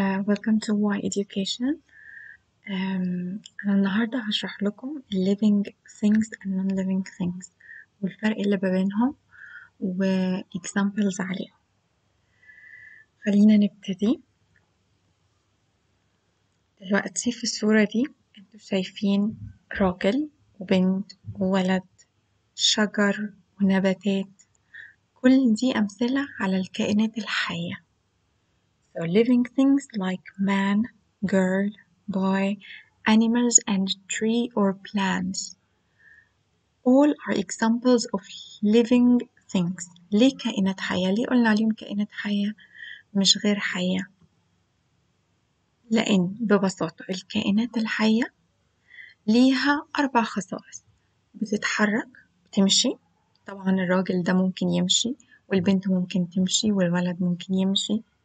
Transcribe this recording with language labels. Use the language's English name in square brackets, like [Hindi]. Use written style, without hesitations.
[English] Welcome to my education. [Arabic] أنا النهاردة هشرح لكم [English] living things and non-living things [Arabic] والفرق اللي بينهم و examples عليهم. خلينا نبتدي. دلوقتي في الصورة دي انتوا شايفين راجل وبنت وولد، شجر ونباتات. كل دي أمثلة على الكائنات الحية. [English] So living things like man, girl, boy, animals and tree or plants. All are examples of living things. [Arabic] ليه كائنات حية؟ ليه قلنا عليهم كائنات حية مش غير حية؟ لأن ببساطة الكائنات الحية ليها أربع خصائص: بتتحرك، بتمشي. طبعا الراجل ده ممكن يمشي، والبنت ممكن تمشي، والولد ممكن يمشي.